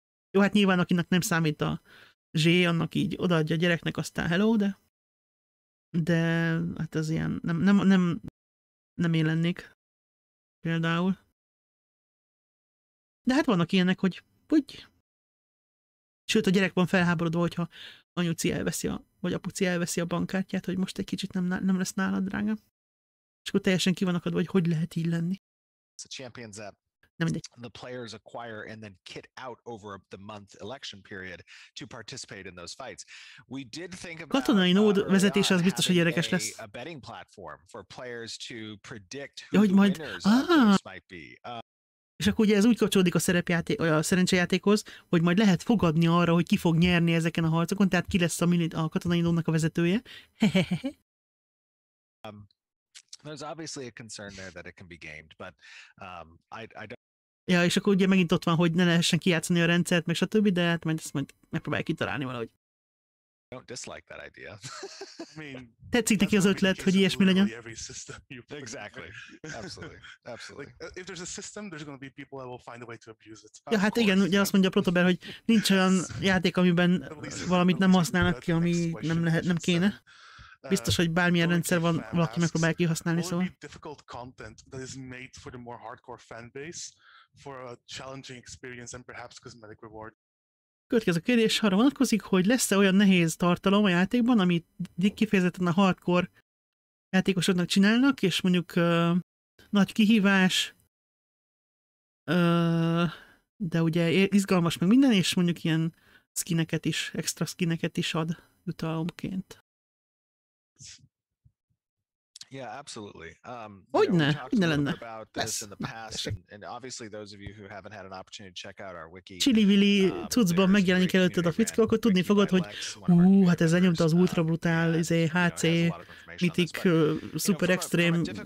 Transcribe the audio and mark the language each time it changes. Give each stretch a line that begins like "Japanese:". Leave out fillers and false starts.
Hungarian: Jó, hát nyilván akinek nem számít a zsé, annak így odaadja a gyereknek, aztán hello, de hát ez ilyen, nem én lennék például. De hát vannak ilyenek, hogy úgy. Sőt, a gyerek van felháborodva, hogyha anyuci elveszi, vagy apuci elveszi a bankkártyát, hogy most egy kicsit nem lesz nálad, drága. És akkor teljesen ki van akadva, hogy lehet így lenni.
English: the players acquire and then kit out over the month election period to participate in those fights. We did think about
Hungarian: katonai nód vezetés az biztos, hogy érdekes lesz.
English: A betting platform for players to predict who the winners might be.
Hungarian: És akkor ugye ez úgy kapcsolódik a szerepjáték, a szerencsejátékhoz, hogy majd lehet fogadni arra, hogy ki fog nyerni ezeken a harcokon, tehát ki lesz a katonai nódnak a vezetője.
English: There's obviously a concern there that it can be gamed, but I don't.
Hungarian: Ja, és akkor ugye megint ott van, hogy ne lehessen kijátszani a rendszert, meg stb., de hát majd ezt majd megpróbálják kitalálni valahogy.
English: I don't dislike that idea. I mean,
Hungarian: tetszik neki az ötlet, hogy ilyesmi legyen?
English: Every system you play. Exactly. Absolutely. Absolutely. Like, if there's a system, there's going to be people that will find a way to abuse it.
Hungarian: Ja, hát igen, ugye azt mondja a Protober, hogy nincs olyan játék, amiben valamit nem használnak ki, ami nem lehet, nem kéne. Biztos, hogy bármilyen rendszer van, valaki megpróbálja kihasználni, szóval.
English: Be difficult content that is made for the more hardcore fanbase for a challenging experience and perhaps cosmetic reward.
Hungarian: Következő kérdés arra vonatkozik, hogy lesz-e olyan nehéz tartalom a játékban, amit kifejezetten a hardcore játékosoknak csinálnak, és mondjuk nagy kihívás, de ugye izgalmas meg minden, és mondjuk ilyen skineket is, extra skineket is ad jutalomként.
English: Yeah, absolutely.
Hungarian: Hogyne, hogyne lenne.
English: About this in the past, and obviously those of you who haven't had an opportunity to check out our wiki.
Hungarian: Csili-vili cuccban megjelenik előtted a fickó, akkor tudni fogod, hogy hát ez lenyomta az ultra brutál, izé, HC, mitik, super extrém.